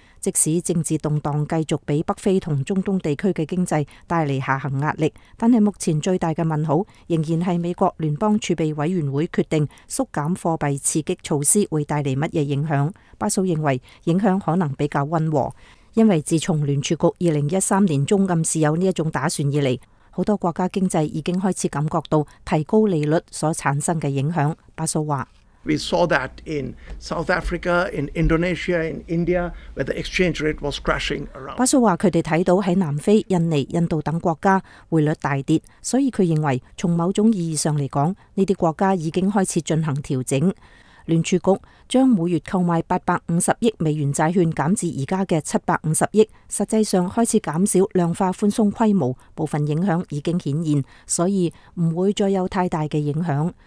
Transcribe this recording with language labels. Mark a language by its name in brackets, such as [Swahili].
[Chinese] 即使政治动荡继续给北非和中东地区的经济带来下行压力，但是目前最大的问号仍然是美国联邦储备委员会决定缩减货币刺激措施会带来什么影响。巴苏认为影响可能比较温和，因为自从联储局2013年中暗示有这种打算以来，很多国家经济已经开始感觉到提高利率所产生的影响。巴苏说， [English] We saw that in South Africa, in Indonesia, in India, where the exchange rate was crashing around. [Chinese] 巴蘇說他們看到在南非、印尼、印度等國家匯率大跌，所以他認為從某種意義上來說，這些國家已經開始進行調整。聯儲局將每月購買850億美元債券減至現在的750億，實際上開始減少量化寬鬆規模，部分影響已經顯現，所以不會再有太大的影響。